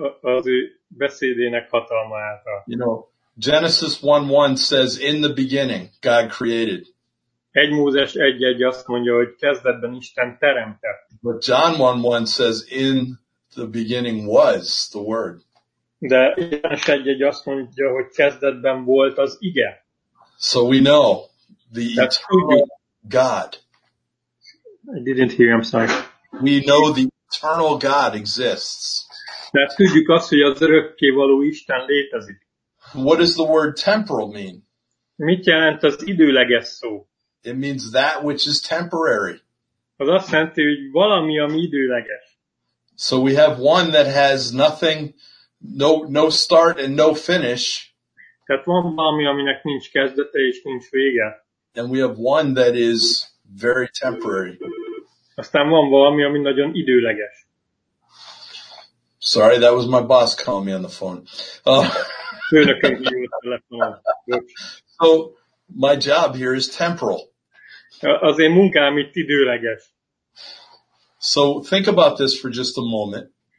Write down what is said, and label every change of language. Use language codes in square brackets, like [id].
[hu] Az ő beszédének hatalma által. [en] You know, Genesis 1:1 says, in the beginning God created. [hu] 1 Mózes 1:1 azt mondja, hogy kezdetben Isten teremtett. [en] But John 1:1 says, in the beginning was the word. [hu] De János 1:1 azt mondja, hogy kezdetben volt az ige. [en] So we know the eternal God. I didn't hear, I'm sorry. We know the eternal God exists. [hu] De tudjuk azt, hogy az örökké való Isten létezik. [en] What does the word temporal mean? [hu] Mit jelent az időleges szó? [en] It means that which is temporary. [hu] Az azt jelenti, hogy valami, ami időleges. [en] So we have one that has nothing. No start and no finish. [hu] Tehát van valami, aminek nincs kezdete és nincs vége. [en] And we have one that is very temporary. [hu] Aztán van valami, ami nagyon időleges. [en] Sorry, that was my boss calling me on the phone. [hu] Főnököm hívott a telefonon. [en] So my job here is temporal. [hu] Az én munkám itt időleges. [en] So think about this for just a moment.